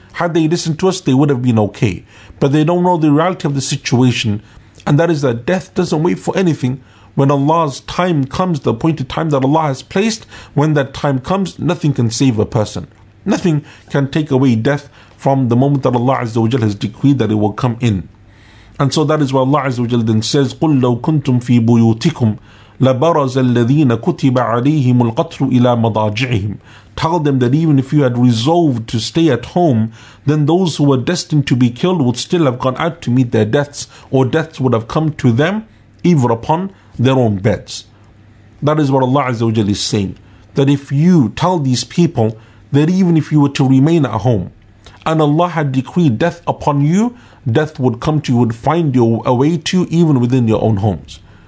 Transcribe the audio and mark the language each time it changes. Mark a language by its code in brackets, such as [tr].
[en] Had they listened to us, they would have been okay. But they don't know the reality of the situation. And that is that death doesn't wait for anything. When Allah's time comes, the appointed time that Allah has placed, when that time comes, nothing can save a person. Nothing can take away death from the moment that Allah Azza wa Jal has decreed that it will come in. And so that is why Allah Azza wa Jal then says, [ar] قُلْ لَوْ كُنْتُمْ فِي بُيُوتِكُمْ لَبَرَزَ الَّذِينَ كُتِبَ عَلَيْهِمُ الْقَتْلُ إِلَى مَضَاجِعِهِمْ. [en] Tell them that even if you had resolved to stay at home, then those who were destined to be killed would still have gone out to meet their deaths, or deaths would have come to them, even upon their own beds. That is what Allah Azza wa Jal is saying. That if you tell these people that even if you were to remain at home, and Allah had decreed death upon you, death would come to you, would find you a way to you, even within your own homes.